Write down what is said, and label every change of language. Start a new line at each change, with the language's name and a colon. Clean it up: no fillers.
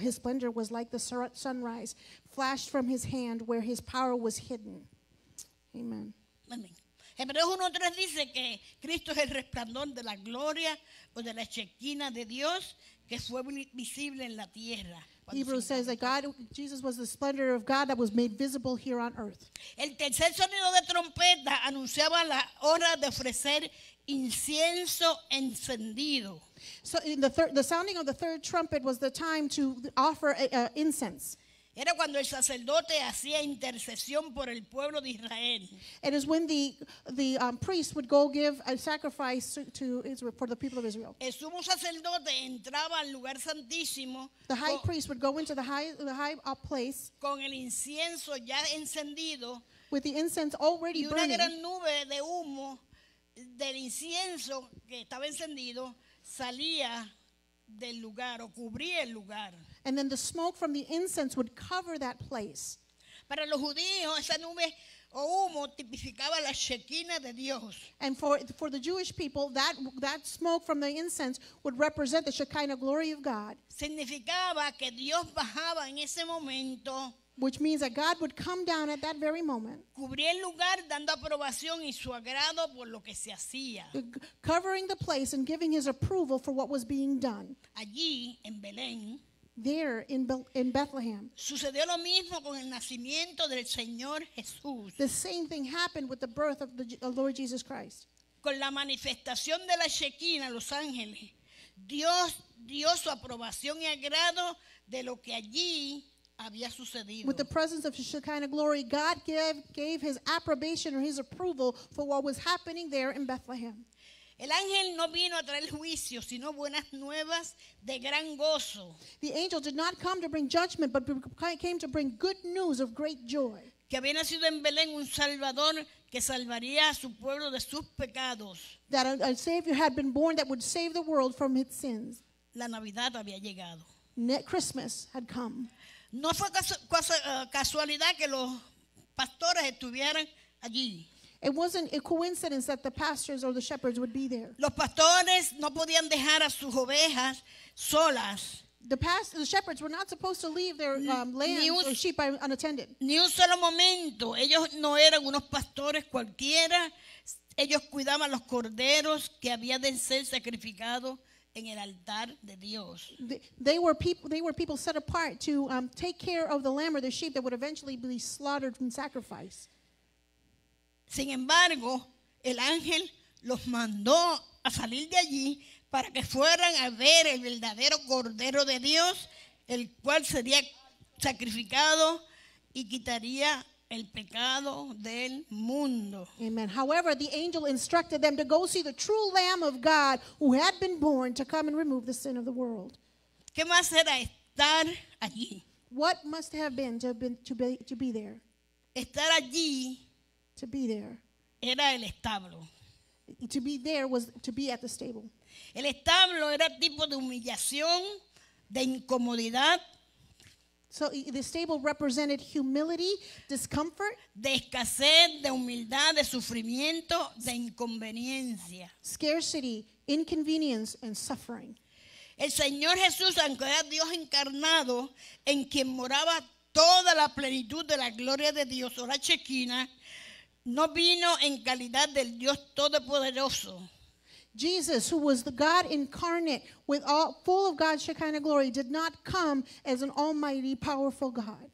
English: His splendor was like the sunrise, flashed from his hand where his power was hidden. Amen. Amen.
Spanish: Hebreos 1:3 dice que Cristo es el resplandor de la gloria o de la chequina de Dios que fue visible en la tierra.
English: Hebrews says that God, Jesus was the splendor of God that was made visible here on earth.
Spanish: El tercer sonido de trompeta anunciaba la hora de ofrecer incienso encendido.
English: So in the sounding of the third trumpet was the time to offer incense.
Spanish: Era cuando el sacerdote hacía intercesión por el pueblo de Israel.
English: It is when the priest would go give a sacrifice to Israel, for the people of Israel.
Spanish: El sumo sacerdote entraba al lugar santísimo.
English: The high priest would go into the high place.
Spanish: Con el incienso ya encendido.
English: With the incense already burning.
Spanish: Y una gran nube de humo del incienso que estaba encendido salía del lugar o cubría el lugar.
English: And then the smoke from the incense would cover that place.
Spanish: Para los judíos, esa nube o humo tipificaba la Shekinah de Dios.
English: And for the Jewish people, that smoke from the incense would represent the Shekinah glory of God.
Spanish: Significaba que Dios bajaba en ese momento.
English: Which means that God would come down at that very moment.
Spanish: Cubría el lugar dando aprobación y su agrado por lo que se hacía.
English: Covering the place and giving his approval for what was being done.
Spanish: Allí, en Belén.
English: There in Bethlehem.
Spanish: Sucedió lo mismo con el nacimiento del Señor Jesús.
English: The same thing happened with the birth of the Lord Jesus Christ.
Spanish: Con la manifestación de la Shekinah, los ángeles, Dios dio su aprobación y agrado de lo que allí había sucedido.
English: With the presence of the Shekinah glory, God gave his approbation or his approval for what was happening there in Bethlehem.
Spanish: El ángel no vino a traer juicio, sino buenas nuevas de gran gozo.
English: The angel did not come to bring judgment, but came to bring good news of great joy.
Spanish: Que había nacido en Belén un Salvador que salvaría a su pueblo de sus pecados.
English: That a Savior had been born that would save the world from its sins.
Spanish: La Navidad había llegado.
English: Christmas had come.
Spanish: No fue casualidad que los pastores estuvieran allí.
English: It wasn't a coincidence that the pastors or the shepherds would be there.
Spanish: Los pastores no podían dejar a sus ovejas solas.
English: The shepherds were not supposed to leave their lambs or sheep unattended.
Spanish: Ni un solo momento. Ellos no eran unos pastores cualquiera. Ellos cuidaban los corderos que habían de ser sacrificados en el altar de Dios.
English: They were people set apart to take care of the lamb or the sheep that would eventually be slaughtered and sacrificed.
Spanish: Sin embargo, el ángel los mandó a salir de allí para que fueran a ver el verdadero Cordero de Dios, el cual sería sacrificado y quitaría el pecado del mundo.
English: Amen. However, the angel instructed them to go see the true Lamb of God who had been born to come and remove the sin of the world.
Spanish: ¿Qué más era estar allí?
English: What must have been to be there?
Spanish: Estar allí.
English: To be there.
Spanish: Era el establo.
English: To be there was to be at the stable.
Spanish: El establo era tipo de humillación, de incomodidad.
English: So the stable represented humility, discomfort.
Spanish: De escasez, de humildad, de sufrimiento, de inconveniencia.
English: Scarcity, inconvenience, and suffering.
Spanish: El Señor Jesús, aunque era Dios encarnado, en quien moraba toda la plenitud de la gloria de Dios, o la chequina, no vino en calidad del Dios Todopoderoso.
English: Jesus, who was the God incarnate with all full of God's Shekinah glory, did not come as an almighty, powerful God.